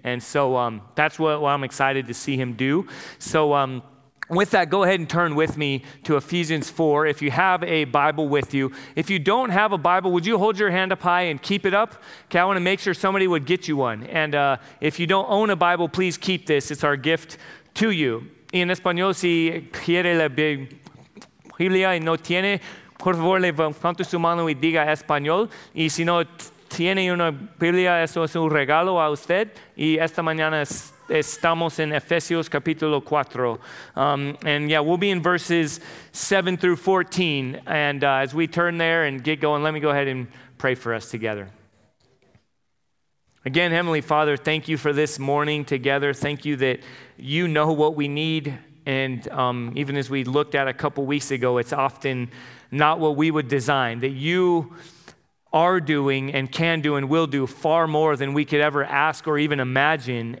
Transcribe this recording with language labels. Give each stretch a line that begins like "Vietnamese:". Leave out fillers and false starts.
English: And so that's what I'm excited to see him do. So with that, go ahead and turn with me to Ephesians 4 if you have a Bible with you. If you don't have a Bible, would you hold your hand up high and keep it up? Okay, I want to make sure somebody would get you one. And if you don't own a Bible, please keep this. It's our gift to you.
Spanish: En español, si quiere la Biblia y no tiene, por favor, levante su mano y diga español. Y si no tiene una Biblia, eso es un regalo a usted. Y esta mañana Estamos en Efesios capítulo 4.
English: We'll be in verses 7 through 14. And as we turn there and get going, let me go ahead and pray for us together. Again, Heavenly Father, thank you for this morning together. Thank you that you know what we need. And even as we looked at a couple weeks ago, it's often not what we would design, that you are doing and can do and will do far more than we could ever ask or even imagine.